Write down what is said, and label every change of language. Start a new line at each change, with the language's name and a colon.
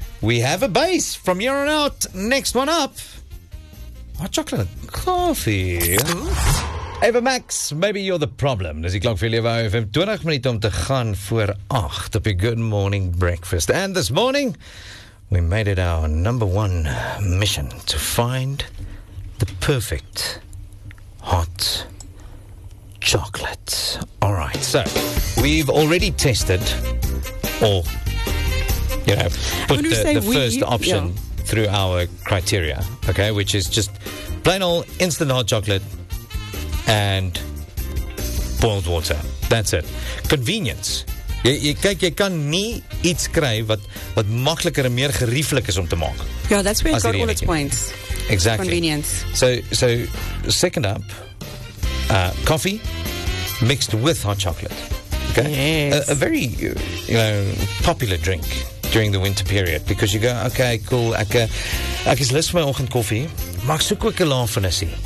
English: We have a base from here on out. Next one up. Hot chocolate and coffee. Ava Max, maybe you're the problem.
Afrikaans: Dis die klok vir lewe FM. 20 minute om te gaan voor 8 op die Good Morning Breakfast.
English: And this morning, We made it our number one mission to find the perfect hot chocolate. All right, so we've already tested all, you know, put the first option through our criteria, okay, which is just plain old instant hot chocolate and boiled water. That's it. Convenience.
Afrikaans: Jy kan nie iets kry wat makliker en meer gerieflik is om te maak. Ja,
English: that's where it got all its points. Exactly. Convenience. So second up, coffee mixed with hot chocolate. Okay? Yes. A very, popular drink during the winter period. Because you go, okay, cool,
Afrikaans: ek is lus vir my oggend koffie, maar ek soek ook 'n laafinissie.